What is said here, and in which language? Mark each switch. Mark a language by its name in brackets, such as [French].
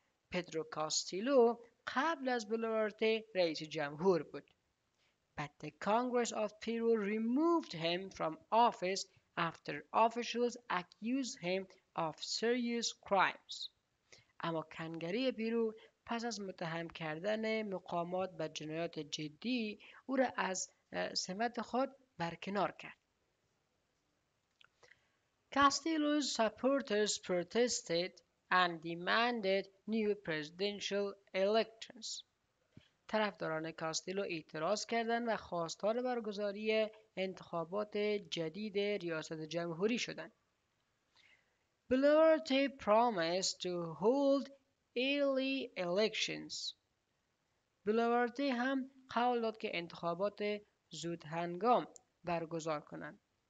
[Persian] پیدرو کاستیلو قبل از بلوارته رئیس جمهور بود. [English] But the Congress of Peru removed him from office after officials accused him of serious crimes. [Persian] اما کنگره پیرو پس از متهم کردن مقامات به جنایات جدی او را از سمت خود برکنار کرد. [English] Castillo's supporters protested and demanded new presidential elections. [Persian] طرفداران کاستیلو اعتراض کردند و خواستار برگزاری انتخابات جدید ریاست جمهوری شدند. [English] Boluarte promised to hold early elections. [Persian] Boluarte هم قول داد که انتخابات زود هنگام برگزار کنند.